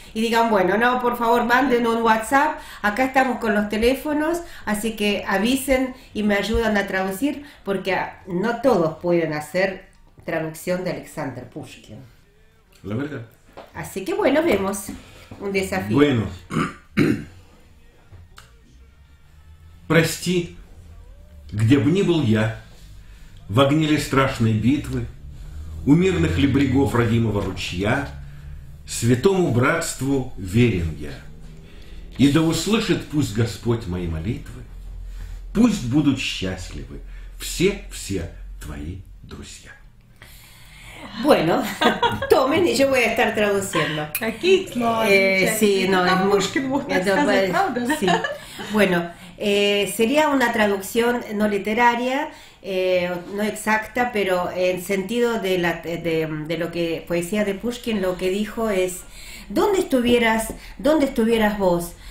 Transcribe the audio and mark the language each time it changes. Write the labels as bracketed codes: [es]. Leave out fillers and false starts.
[es] Y digan, bueno, no, por favor, manden un WhatsApp. Acá estamos con los teléfonos, así que avisen y me ayudan a traducir, porque no todos pueden hacer traducción de Alexander Pushkin. La verdad. Así que, bueno, vemos un desafío. Bueno. [ru] Прости, где бы ни был я, в огне ли страшной битвы, у мирных ли брегов родимого ручья, Святому братству верен я, и да услышит пусть Господь мои молитвы, пусть будут счастливы все-все твои друзья. [es] Bueno, tomen y yo voy a estar traduciendo. Aquí, no, sí, no, es muy... Sí. Bueno, sería una traducción no literaria, no exacta, pero en sentido de lo que poesía de Pushkin, lo que dijo es, ¿dónde estuvieras vos?